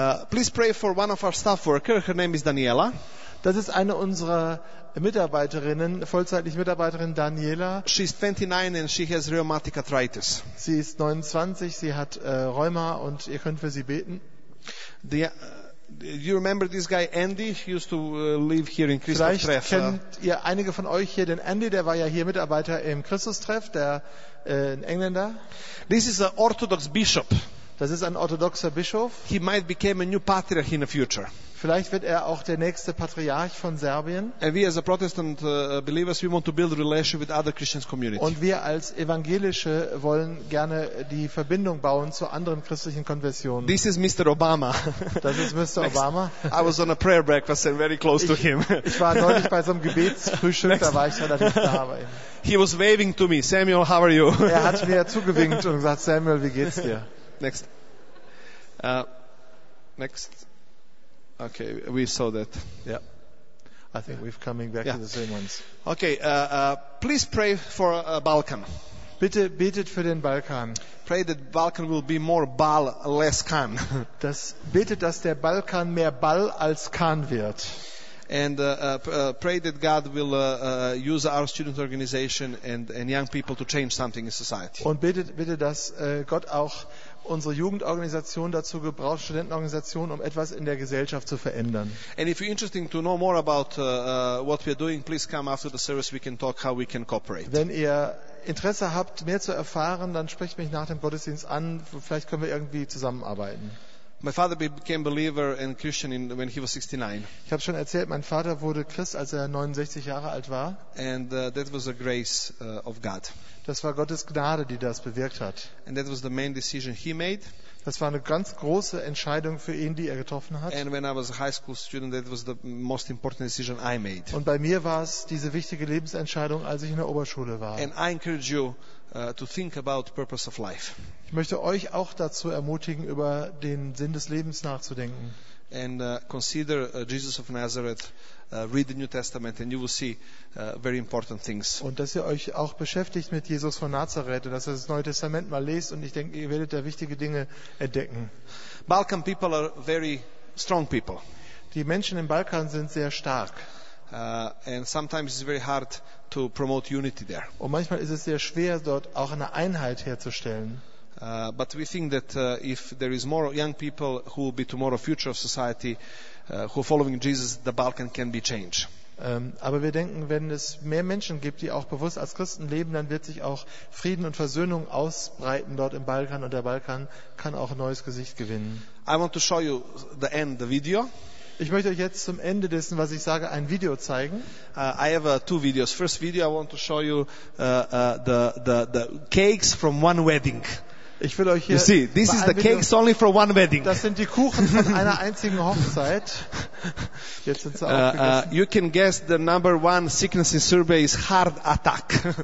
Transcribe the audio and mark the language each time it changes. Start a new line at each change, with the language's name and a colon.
English: Please pray for one of our staff workers. Her name is Daniela.
German: Das ist eine unserer Mitarbeiterinnen, vollzeitliche Mitarbeiterin Daniela.
English: She is 29 and she has rheumatic arthritis.
German: Sie ist 29, sie hat Rheuma und ihr könnt für sie beten.
English: Do you remember this guy Andy? He used to live here in Christus
German: Vielleicht Treff. Kennt ihr einige von euch hier den Andy, der war ja hier Mitarbeiter im Christus Treff, der ein Engländer.
English: This is an Orthodox Bishop.
German: Das ist ein orthodoxer Bischof.
English: He might become a new patriarch in the future.
German: Vielleicht wird er auch der nächste Patriarch von Serbien.
English: And we as a Protestant believers, we want to build a relationship with other Christian communities.
German: Und wir als Evangelische wollen gerne die Verbindung bauen zu anderen christlichen Konfessionen.
English: This is Mr. Obama.
German: Das ist Mr. Next. Obama.
English: I was on a prayer breakfast and very close to him.
German: Ich war neulich bei so einem Gebetsfrühstück, Next. Da war ich relativ nah bei ihm.
English: He was waving to me, Samuel, how are you?
German: Er hat mir zugewinkt und gesagt, Samuel, wie geht's dir?
English: Next. Next. Okay, we saw that. Yeah. I think we're coming back to the same ones. Okay, please pray for Balkan.
German: Bitte betet für den Balkan.
English: Pray that Balkan will be more Bal, less Kan.
German: Betet, dass der Balkan mehr Bal als Kan wird.
English: And pray that God will use our student organization and young people to change something in society.
German: Und betet, dass Gott auch unsere Jugendorganisation dazu gebraucht, Studentenorganisation, um etwas in der Gesellschaft zu verändern.
English: And if you're interested to know more about what we're doing, please come after the service, we can talk how we can cooperate.
German: Wenn ihr Interesse habt, mehr zu erfahren, dann sprecht mich nach dem Gottesdienst an, vielleicht können wir irgendwie zusammenarbeiten.
English: My father became believer and Christian in, when he was 69.
German: Ich habe schon erzählt, mein Vater wurde Christ, als er 69 Jahre alt war.
English: And that was a grace of God.
German: Das war Gottes Gnade, die das bewirkt hat.
English: And that was the main decision he made.
German: Das war eine ganz große Entscheidung für ihn, die er getroffen hat.
English: And when I was a high school student, that was the most important decision I made.
German: Und bei mir war es diese wichtige Lebensentscheidung, als ich in der Oberschule war.
English: And I encourage you to think about purpose of life.
German: Ich möchte euch auch dazu ermutigen, über den Sinn des Lebens nachzudenken.
English: And consider Jesus of Nazareth. Read the New Testament and you will see very important things.
German: Und dass ihr euch auch beschäftigt mit Jesus von Nazareth, dass ihr das Neue Testament mal lest und ich denke, ihr werdet da wichtige Dinge entdecken.
English: Balkan people are very strong people.
German: Die Menschen im Balkan sind sehr stark.
English: And sometimes it's very hard to promote unity there.
German: Und manchmal ist es sehr schwer, dort auch eine Einheit herzustellen.
English: But we think that if there is more young people who will be tomorrow future of society, who are following Jesus, the Balkan can be changed.
German: Aber wir denken, wenn es mehr Menschen gibt, die auch bewusst als Christen leben, dann wird sich auch Frieden und Versöhnung ausbreiten dort im Balkan und der Balkan kann auch ein neues Gesicht gewinnen.
English: I want to show you the end of the video.
German: Ich möchte euch jetzt zum Ende dessen, was ich sage, ein Video zeigen.
English: I have two videos. First video, I want to show you the cakes from one wedding.
German: Ich will euch hier
English: you see, this is the cakes only for one wedding.
German: Das sind die Kuchen von einer einzigen Hochzeit. Jetzt sind sie auch gegessen.
English: You can guess the number one sickness in Serbia is heart attack.